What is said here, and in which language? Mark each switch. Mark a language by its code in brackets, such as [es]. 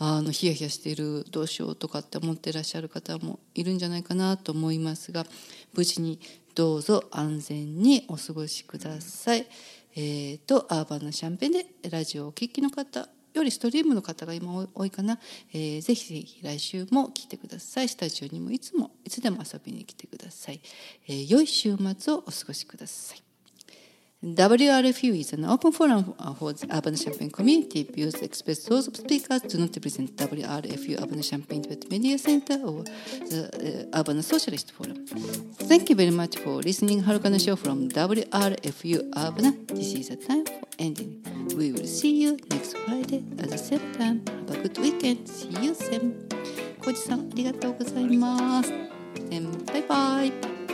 [ja] ヒヤヒヤしてる、どうしようとかって思ってらっしゃる方もいるんじゃないかなと思いますが、無事にどうぞ安全にお過ごしください、うん、アーバンのシャンペンでラジオを聴きの方より、ストリームの方が今多いかな、ぜひぜひ来週も来てください。スタジオにもいつもいつでも遊びに来てください、良い週末をお過ごしください。 [en] WRFU is an open forum for the Urban Champagne community. Views expressed those of speakers do not represent WRFU Urban Champagne Debate Media Center or the Urban Socialist Forum. Thank you very much for listening to Harukana Show from WRFU Urban. This is the time for ending. We will see you next Friday at the same time. Have a good weekend. See you soon. Koji-san, [ja] ありがとうございます。バイバイ。